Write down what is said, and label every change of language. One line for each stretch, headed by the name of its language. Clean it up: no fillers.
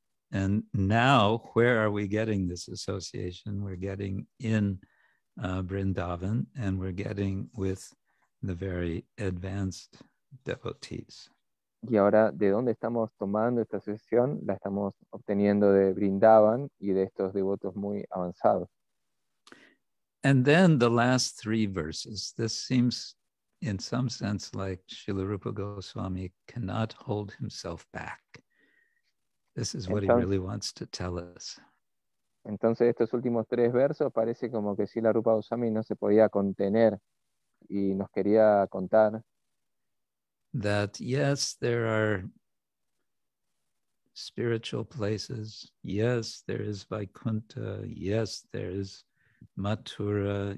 English: And now, where are we getting this association? We're getting in Vrindavan, and we're getting with the very advanced devotees.
Spanish: Y ahora, ¿de dónde estamos tomando esta asociación? La estamos obteniendo de Vrindavan y de estos devotos muy avanzados.
English: And then the last three verses. This seems, in some sense, like Srila Rupa Goswami cannot hold himself back. This is what
Spanish: entonces,
English: he really wants to tell us.
Spanish: Entonces estos últimos tres versos parece como que Sila Rupa Goswami no se podía contener y nos quería contar.
English: That yes, there are spiritual places. Yes, there is Vaikuntha. Yes, there is Mathura.